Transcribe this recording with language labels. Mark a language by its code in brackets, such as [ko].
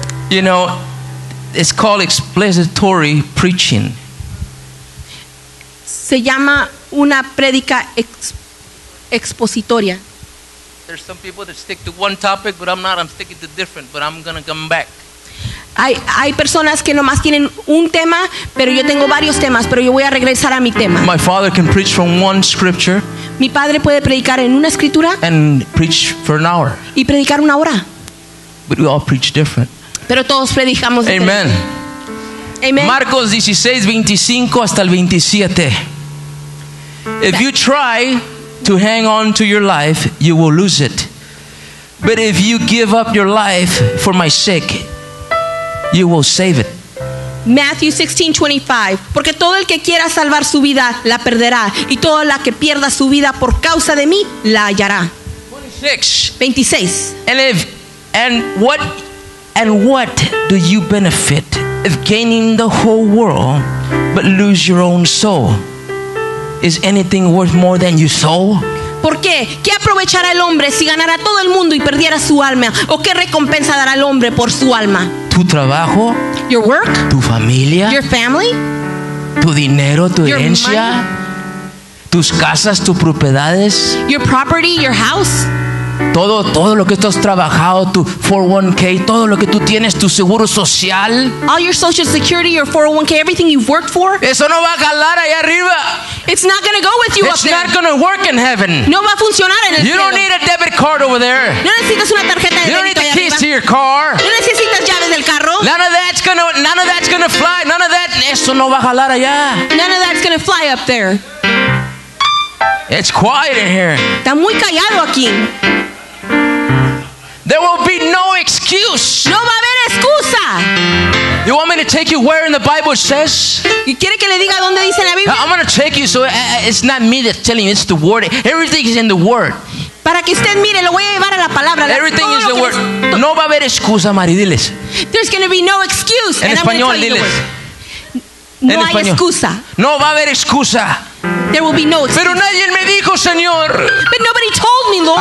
[en] You know, it's called expository preaching. [es] Se llama una prédica expositoria. [en] There's some people that stick to one topic, but I'm not. I'm sticking to different, but I'm going to come back. [es] Hay personas que nomás tienen un tema, pero yo tengo varios temas, pero yo voy a regresar a mi tema. [en] My father can preach from one scripture. [es] Mi padre puede predicar en una escritura. [en] And preach for an hour. [es] Y predicar una hora. [en] But we all preach different. [es] Pero todos predicamos diferente. Amen. Amen. Marcos 16, 25 hasta el 27. [en] If you try to hang on to your life, you will lose it. But if you give up your life for my sake, you will save it. Matthew 16:25. [es] Porque todo el que quiera salvar su vida la perderá, y toda la que pierda su vida por causa de mí la hallará. 26. [en] And what do you benefit if gaining the whole world but lose your own soul? Is anything worth more than your soul? [es] ¿Por qué? ¿Qué aprovechará el hombre si ganara todo el mundo y perdiera su alma? ¿O qué recompensa dará el hombre por su alma? ¿Tu trabajo? [en] Your work? [es] ¿Tu familia? [en] Your family? [es] ¿Tu dinero, tu [en] your [es] herencia? [en] Money? [es] ¿Tus casas, tus propiedades? [en] Your property, your house? [es] Todo lo que tú has trabajado, tu 401k, todo lo que tú tienes, tu seguro social. [en] All your social security, your 401k, everything you've worked for. [es] Eso no va a calar allá arriba. [en] It's not going to go with you up there. It's not going to work in heaven. [es] No va a funcionar en el cielo. [en] You don't need a debit card over there. [es] No necesitas una tarjeta de débito. [en] You don't need the keys to your car. [es] No necesitas llaves del carro. [en] None of that's going to fly. None of that. [es] Eso no va a calar allá. [en] None of that's going to fly up there. It's quiet in here. [es] Está muy callado aquí. [en] There will be no excuse. [es] No va a haber excusa. [en] You want me to take you where in the Bible says? [es] ¿Y quiere que le diga dónde dice la Biblia? [en] I'm going to take you so it's not me that's telling you, it's the word. Everything is in the word. [es] Para que usted mire, lo voy a llevar a la palabra. [en] Everything is the word. [es] No va a haber excusa, Mari, diles. [en] There's going to be no excuse. [es] En español, diles. No hay excusa. No va a haber excusa. [en] There will be no excuse. [es] Pero nadie me dijo, Señor. [en] But nobody told me, Lord.